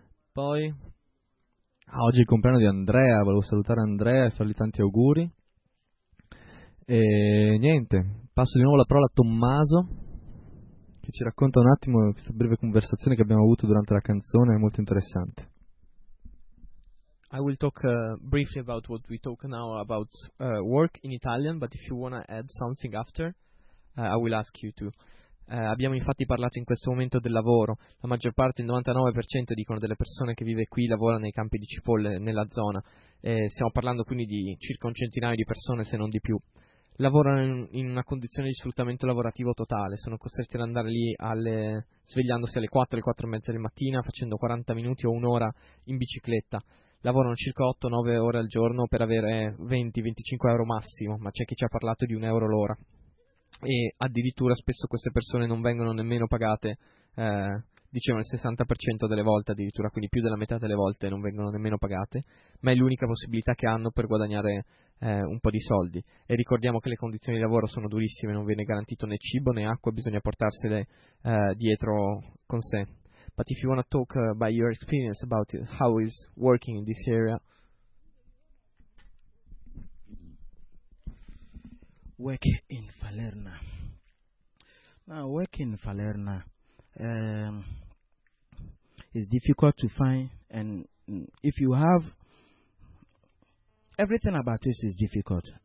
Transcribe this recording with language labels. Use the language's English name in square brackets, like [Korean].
[Italian] Poi oggi è il compleanno di Andrea, volevo salutare Andrea e fargli tanti auguri. E niente, passo di nuovo la parola a Tommaso, che ci racconta un attimo questa breve conversazione che abbiamo avuto durante la canzone, è molto interessante. [English] I will talk briefly about what we talk now about work in Italian, but if you want to add something after, I will ask you to. [Italian] Abbiamo infatti parlato in questo momento del lavoro. La maggior parte, il 99%, dicono, delle persone che vive qui lavora nei campi di cipolle nella zona. Stiamo parlando quindi di circa un centinaio di persone, se non di più. Lavorano in una condizione di sfruttamento lavorativo totale. Sono costretti ad andare lì svegliandosi alle 4, alle 4 e mezza di mattina, facendo 40 minuti o un'ora in bicicletta. Lavorano circa 8-9 ore al giorno per avere 20-25 euro massimo, ma c'è chi ci ha parlato di un euro l'ora. E addirittura spesso queste persone non vengono nemmeno pagate, dicevano il 60% delle volte addirittura, quindi più della metà delle volte non vengono nemmeno pagate, ma è l'unica possibilità che hanno per guadagnare un po' di soldi. E ricordiamo che le condizioni di lavoro sono durissime, non viene garantito né cibo né acqua, bisogna portarsele dietro con sé. [English] But if you want to talk by your experience about it, how is working in this area? Work in Falerna. Now, work in Falerna is difficult to find, and if you have everything about this is difficult.